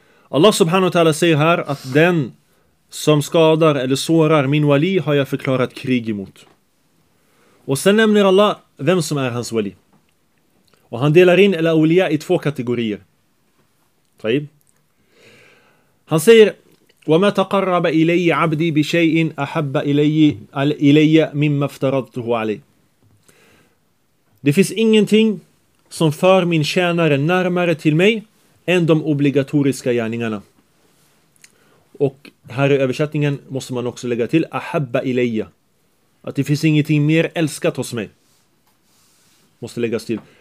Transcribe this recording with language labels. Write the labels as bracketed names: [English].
[Swedish] Allah subhanahu wa ta'ala säger här att den som skadar eller sårar min wali har jag förklarat krig emot. Och sen nämner Allah vem som är hans wali. Och han delar in al-awliya i två kategorier. [Arabic] Tayyib. [Swedish] Han säger: [Arabic] وما تقرب إلي عبدي بشيء أحب إلي مما افترضته عليه. [Swedish] Det finns ingenting som för min tjänare närmare till mig än de obligatoriska gärningarna. Och här i översättningen måste man också lägga till ahabba ilayya. Att det finns ingenting mer älskat hos mig. Måste läggas till.